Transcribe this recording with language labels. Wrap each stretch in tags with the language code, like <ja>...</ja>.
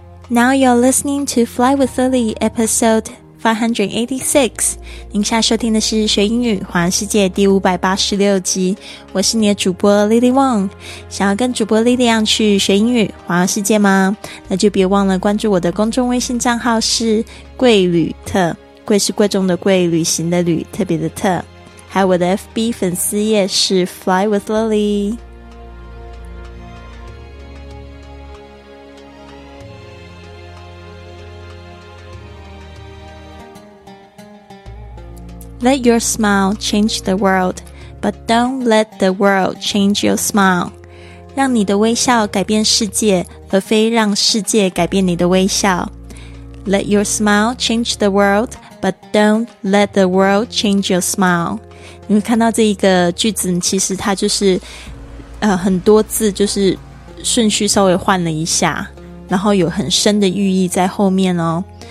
<en>Now you're listening to Fly with Lily, episode 586.</en> <zh>您现在收听的是学英语环游世界第586集。我是你的主播 Lily Wong。想要跟主播 Lily 一样去学英语环游世界吗？那就别忘了关注我的公众微信账号是贵旅特。贵是贵重的贵，旅行的旅，特别的特。还有我的 FB 粉丝页是 Fly with Lily。</zh> <en>Let your smile change the world, but don't let the world change your smile.</en> <zh>让你的微笑改变世界，而非让世界改变你的微笑。</zh> <en>Let your smile change the world, but don't let the world change your smile.</en> <zh>你会看到这一个句子，其实它就是很多字就是顺序稍微换了一下，然后有很深的寓意在后面哦。</zh>